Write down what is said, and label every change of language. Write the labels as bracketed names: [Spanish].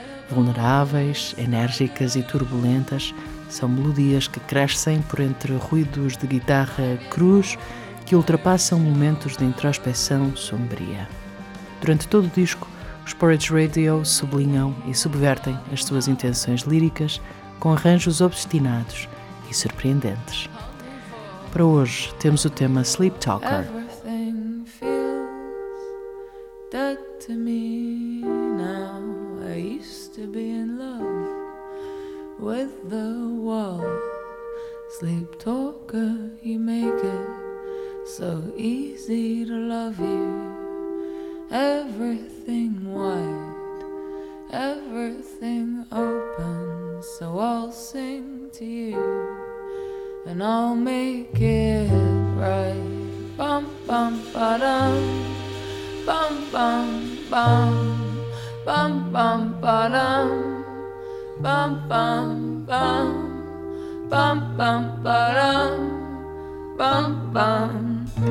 [Portuguese] Vulneráveis, enérgicas e turbulentas, são melodias que crescem por entre ruídos de guitarra cruz que ultrapassam momentos de introspeção sombria. Durante todo o disco, os Porridge Radio sublinham e subvertem as suas intenções líricas com arranjos obstinados e surpreendentes. Para hoje, temos o tema Sleep Talker. [English] Everything feels dead to me now. I used to be in love with the wall. Sleep Talker, you make it so easy to love you. Everything wide, everything open, so I'll sing to you, and I'll make it right. Bum bum ba dum, bum bum bum, bum bum ba dum, bum bum bum, bum bum ba dum, bum bum.